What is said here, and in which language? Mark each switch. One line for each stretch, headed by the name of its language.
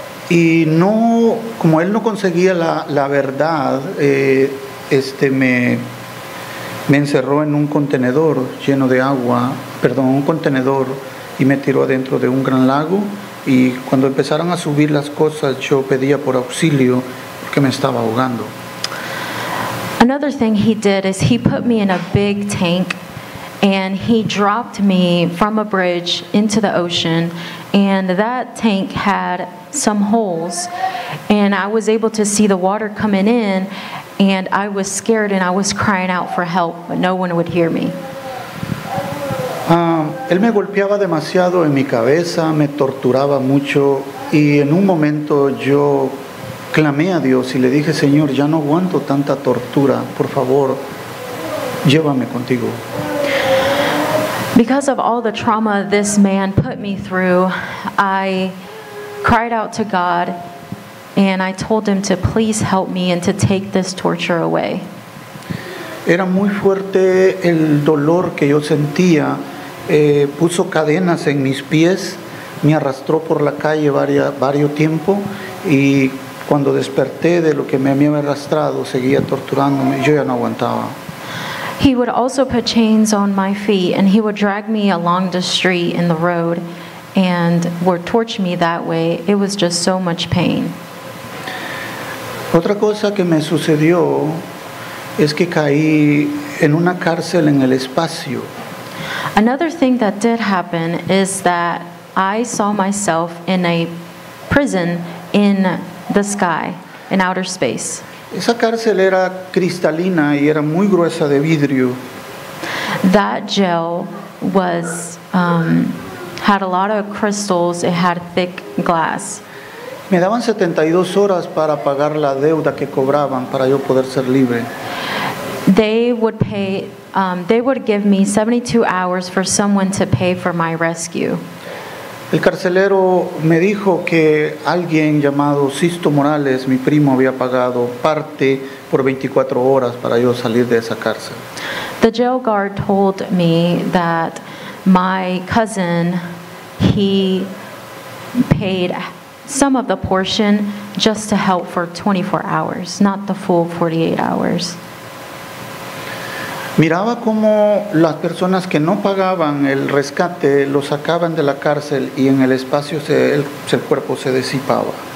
Spanish: Y no, como él no conseguía la verdad, me encerró en un contenedor lleno de agua, perdón, un contenedor, y me tiró adentro de un gran lago. Y cuando empezaron a subir las cosas, yo pedía por auxilio porque me estaba ahogando.
English: Another thing he did is he put me in a big tank and he dropped me from a bridge into the ocean, and that tank had some holes and I was able to see the water coming in and I was scared and I was crying out for help, but no one would hear me.
Spanish: Él me golpeaba demasiado en mi cabeza, me torturaba mucho, y en un momento yo clamé a Dios y le dije, Señor, ya no aguanto tanta tortura, por favor, llévame contigo.
English: Because of all the trauma this man put me through, I cried out to God and I told him to please help me and to take this torture away.
Spanish: Era muy fuerte el dolor que yo sentía. Puso cadenas en mis pies, me arrastró por la calle varios tiempo, y cuando desperté de lo que me había arrastrado, seguía torturándome. Yo ya no aguantaba.
English: He would also put chains on my feet and he would drag me along the street in the road and would torture me that way. It was just so much pain.
Spanish: Otra cosa que me sucedió es que caí en una cárcel en el espacio.
English: Another thing that did happen is that I saw myself in a prison in the sky, in outer space.
Spanish: Esa cárcel era cristalina y era muy gruesa de vidrio.
English: That jail was had a lot of crystals, it had thick glass.
Spanish: Me daban 72 horas para pagar la deuda que cobraban para yo poder ser libre.
English: They would give me 72 hours for someone to pay for my rescue.
Spanish: El carcelero me dijo que alguien llamado Sisto Morales, mi primo, había pagado parte por 24 horas para yo salir de esa cárcel.
English: The jail guard told me that my cousin, he paid some of the portion just to help for 24 hours, not the full 48 hours.
Spanish: Miraba cómo las personas que no pagaban el rescate lo sacaban de la cárcel y en el espacio el cuerpo se disipaba.